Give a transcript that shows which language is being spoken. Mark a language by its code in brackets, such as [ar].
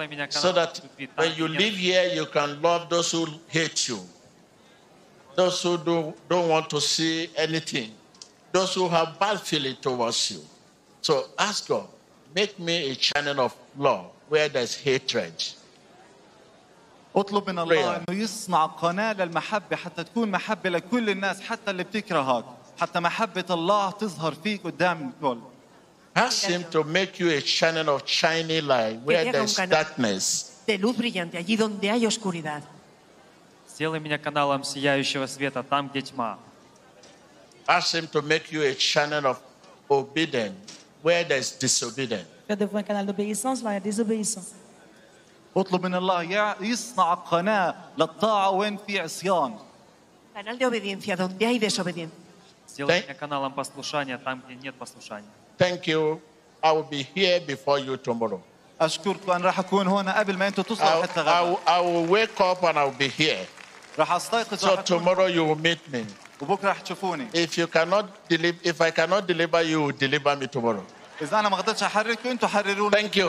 [en] So that when you live here, you can love those who hate you, those who don't want to see anything, those who have bad feeling towards you. So ask God, make me a channel of love where there is hatred. [ar] اطلب من الله انه يصنع قناه للمحبه حتى تكون محبه لكل الناس حتى اللي بتكرهك حتى محبه الله تظهر فيك قدام الكل. [en] Ask him to make you a channel of shiny light where there's darkness. [es] De luz brillante allí donde hay oscuridad. [ru] Сделай меня каналом сияющего света там, где тьма. [en] Ask him to make you a channel of obedience where there's disobedience. [es] De un canal de obediencia donde hay desobediencia. [ar] اطلب من الله يصنع قناة للطاعة وين في عصيان. [es] Canal de obediencia donde hay desobediencia. [ru] Сделай каналом послушания там, где нет послушания. [en] Thank you. I will be here before you tomorrow. [ar] أشكرك أن راح أكون هنا قبل ما أنت تصل حتى غدا. [en] I will wake up and I will be here. [ar] راح أستيقظ. [en] So tomorrow you will meet me. [ar] وبكرة راح تشوفوني. [en] If you cannot deliver, if I cannot deliver, you will deliver me tomorrow. [ar] إذا أنا ما قدرتش أحررك أنت حرروني.